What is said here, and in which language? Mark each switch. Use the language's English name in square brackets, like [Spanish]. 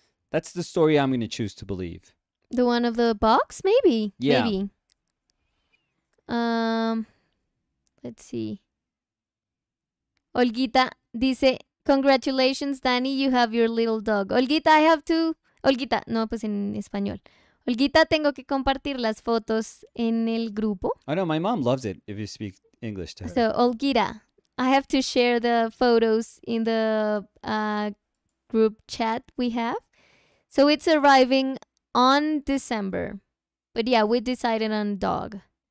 [English] That's the story I'm going to choose to believe. The one of the box? Maybe. Yeah. Maybe. Let's see. Olguita [Spanish] dice, [English] congratulations, Danny. You have your little dog. Olguita, I have two. Olguita. [Spanish] No, pues en español. Olguita, tengo que compartir las fotos en el grupo. [English] I know. My mom loves it if you speak English to her. So, Olguita, I have to share the photos in the group chat we have. So, it's arriving on December. But yeah, we decided on dog.